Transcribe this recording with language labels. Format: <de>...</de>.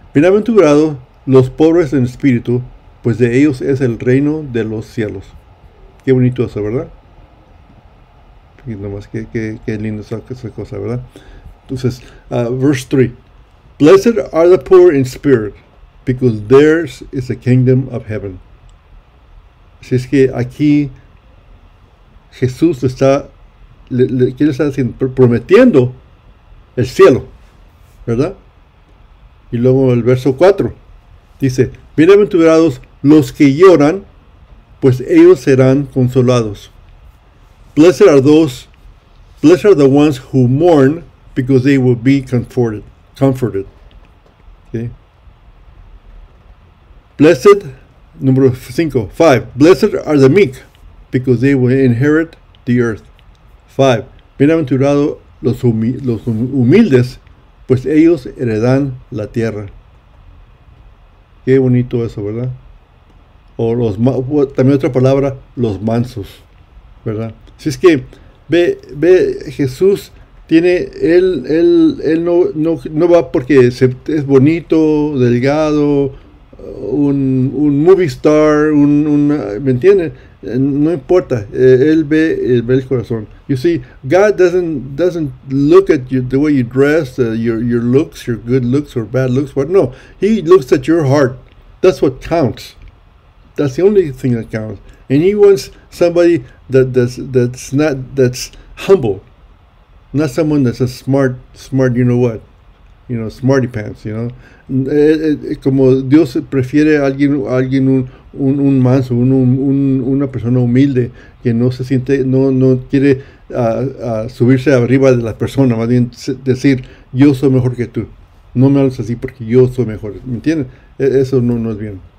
<es>Bienaventurados los pobres en espíritu, pues de ellos es el reino de los cielos. Qué bonito eso, ¿verdad? Y nomás, qué lindo esa cosa, ¿verdad? Entonces, verse 3.</es> <en>Blessed are the poor in spirit, because theirs is the kingdom of heaven.</en> <es>Así es que aquí Jesús está, ¿qué le está diciendo? Prometiendo el cielo, ¿verdad? Y luego el verso 4 dice: bienaventurados los que lloran, pues ellos serán consolados.</es> <en>Blessed are the ones who mourn, because they will be comforted. ¿Sí? Blessed, número 5, 5. Blessed are the meek, because they will inherit the earth. 5.</en> <es>Bienaventurados los humildes, pues ellos heredan la tierra. Qué bonito eso, ¿verdad? O los, también otra palabra, los mansos, ¿verdad? Si es que ve Jesús tiene, él no va porque es bonito, delgado, un movie star, ¿me entiendes? No importa, él ve el corazón.</es> <en>You see, God doesn't look at you, the way you dress, your looks, your good looks or bad looks, but no, he looks at your heart. That's what counts. That's the only thing that counts. And he wants somebody that's humble, not someone that's a smart, you know what, you know, smarty pants, you know.</en> <es>Como Dios prefiere alguien un manso, una persona humilde que no se siente, no quiere subirse arriba de la persona, más bien decir yo soy mejor que tú. No me hables así porque yo soy mejor, ¿me entiendes? Eso no es bien.</es>